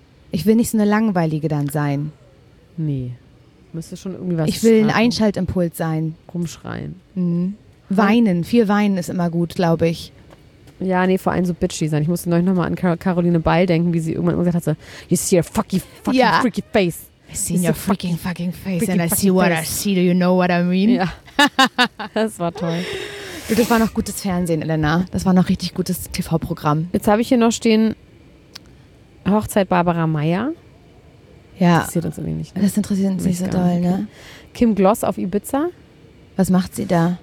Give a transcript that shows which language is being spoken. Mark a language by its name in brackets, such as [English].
[German] Ich will nicht so eine Langweilige dann sein. Nee. Müsste schon irgendwie was. Ich will ein Einschaltimpuls sein. Rumschreien. Mhm. Weinen. Viel weinen ist immer gut, glaube ich. Ja, nee, vor allem so bitchy sein. Ich musste neulich nochmal an Caroline Ball denken, wie sie irgendwann gesagt hat, so, [English] you see your freaky face. I see your fucking face and I see what face. I see. Do you know what I mean? [German] Ja. Das war toll. Du, das war noch gutes Fernsehen, Elena. Das war noch richtig gutes TV-Programm. Jetzt habe ich hier noch stehen, Hochzeit Barbara Mayer. Ja. Interessiert uns irgendwie nicht. Ne? Das interessiert uns nicht so doll, ne? Kim Gloss auf Ibiza. Was macht sie da?